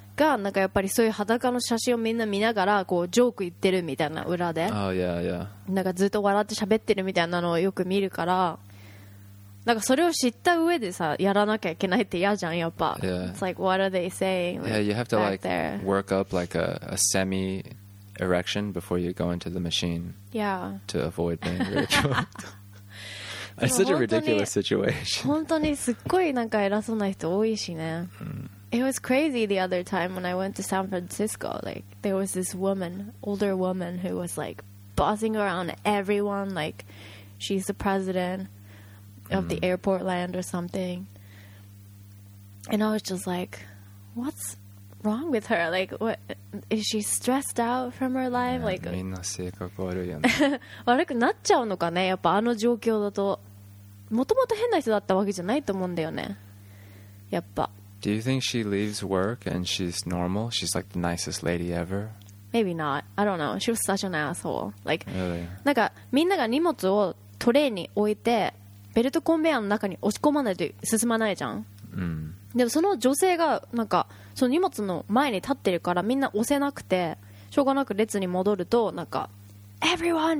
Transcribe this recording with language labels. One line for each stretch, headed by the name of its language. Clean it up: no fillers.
Japanese: がなんかやっぱりそういう裸の写真をみんな見ながらこうジョーク言ってるみたいな裏で、
English: oh, yeah, yeah.
Japanese: なんかずっと笑って喋ってるみたいなのをよく見るからなんかそれを知った上でさやらなきゃいけないって嫌じゃんやっぱ、
English: yeah. It's like what are they saying? Like, yeah, you have to like、 there. Work up like a semi erection before you go into the machine. Yeah. To avoid being ridiculed. It's such a ridiculous situation.
Japanese: 本当にすっごいなんか偉そうな人多いしね。 Mm.
English: It was crazy the other time when I went to San Francisco. Like, there was this woman, older woman, who was, like, bossing around everyone. Like, she's the president of the airport land or something. And I was just like, what's wrong with her? Like, what is she stressed out from her life? Like,
Japanese: みんな性格悪いよね。悪くなっちゃうのかね。やっぱあの状況だと、もともと変な人だったわけじゃないと思うんだよね。やっぱ。
English: Do you think she leaves work and she's normal? She's like the nicest lady ever. Maybe not. I don't know. She was such an asshole. Like, really?
Japanese: なんかみんなが荷物をトレーに置いてベルトコンベヤーの中に押し込まないと進まないじゃん。でもその女性がなんかその荷物の前に立ってるからみんな押せなくてしょうがなく列に戻るとなんか
English: Everyone!